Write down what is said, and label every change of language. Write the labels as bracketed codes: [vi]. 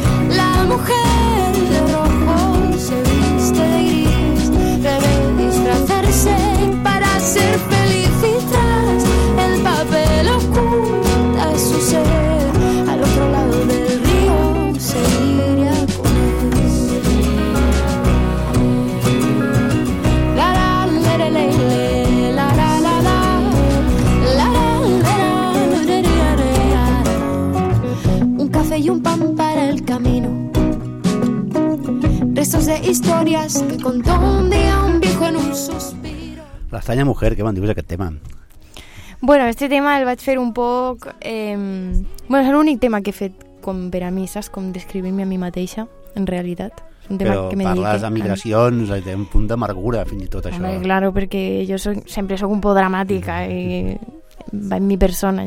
[es] La mujer de rojo se viste de gris, debe disfrazarse ser feliz y tras el papel oculta su ser. Al otro lado del río se iría con él. La la la la la la la la la la la la la la la la la la. Un café y un pan para el camino. Restos de historias que contó un día un viejo en un suspiro. [ca] L'estranya mujer, què me'n dius d'aquest tema? Bueno, este tema el vaig fer un poc... bueno, és l'únic tema que he fet com per a mi, saps? Com descrivir-me a mi mateixa, en realitat. Un tema però que me parles dic, de migracions, té un punt d'amargura, fins i tot, això. Home, claro, perquè jo soc, sempre soc un poc dramàtica i va en mi persona.